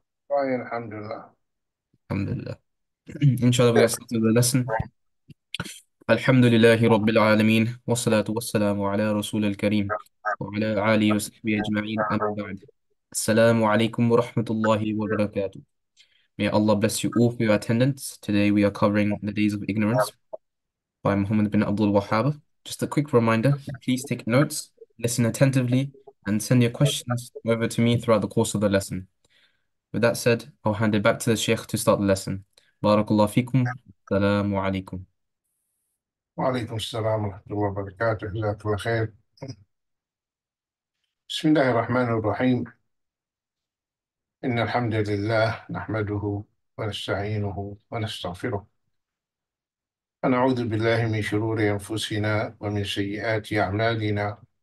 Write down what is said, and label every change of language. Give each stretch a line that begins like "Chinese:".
Arabic: طيب الحمد لله. الحمد لله. إن شاء الله بقى
English: Start the lesson.
Arabic: الحمد لله رب العالمين، والصلاة والسلام على رسول الكريم وعلى آله وصحبه أجمعين. أما بعد، السلام عليكم ورحمة الله وبركاته.
English: May Allah bless you all for your attendance. Today we are covering the Days of Ignorance by Muhammad bin Abdul Wahhab. Just a quick reminder, please take notes, listen attentively, and send your questions over to me throughout the course of the lesson. With that said, I'll hand it back to the Sheikh to start the lesson.
Arabic: Barakallah fikum. Assalamu alaikum. وعليكم السلام ورحمة الله وبركاته، جزاك الله خير. بسم الله الرحمن الرحيم. إن الحمد لله نحمده ونستعينه ونستغفره، ونعوذ بالله من شرور أنفسنا ومن سيئات أعمالنا.